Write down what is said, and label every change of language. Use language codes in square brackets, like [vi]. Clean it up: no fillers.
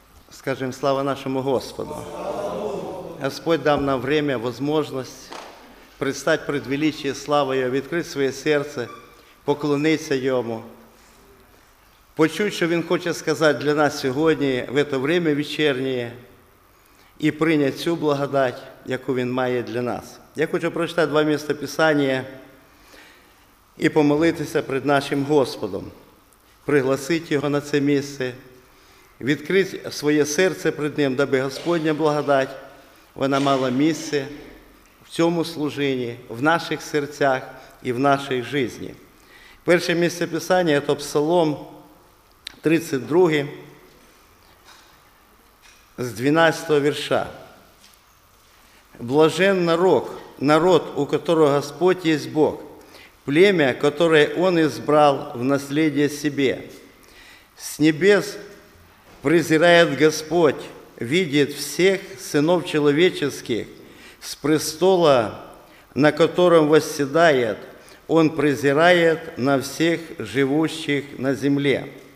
[ru] Скажем, слава нашему Господу. Господь дал нам время, возможность предстать пред величие славою, открыть свое сердце, поклониться Ему, почуть, что Він хочет сказать для нас сегодня, в это время вечернее, и принять всю благодать, [uk] яку Він має для нас. [ru] Я хочу прочитать два места Писания и помолитися пред нашим Господом, [uk] пригласить Його на це місце, відкрити своє серце пред Ним, даби Господня благодать, вона мала місце в цьому служінні, в наших серцях і в нашій житті. Перше місце Писання – це Псалом 32, з 12 вірша. [ru] «Блажен народ, народ, у которого Господь є Бог, племя, которое Он избрал в наследие себе. С небес презирает Господь, видит всех сынов человеческих, с престола, на котором восседает, Он презирает на всех живущих на земле.